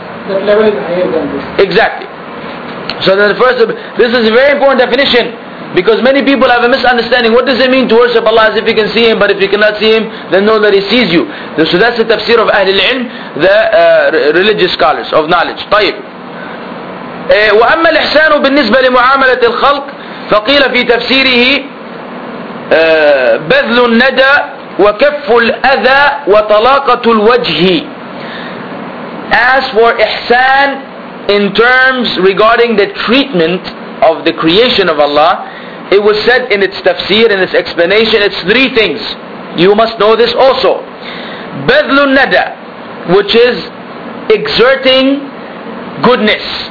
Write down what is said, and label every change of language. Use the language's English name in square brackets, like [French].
[English] That level is higher than this. Exactly. So then the first, this is a very important definition, because many people have a misunderstanding. What does it mean to worship Allah as if you can see Him, but if you cannot see Him, then know that He sees you? So that's the tafsir of Ahlul Ilm, the religious scholars of knowledge. [Arabic] طيب. وأما الإحسان بالنسبة لمعاملة الخلق فقيل في تفسيره بذل الندى وكف الأذى وطلاقة الوجه. [English] As for إحسان in terms regarding the treatment of the creation of Allah, It was said in its tafsir, in its explanation, it's three things. You must know this also. Bazlun nada, which is exerting goodness.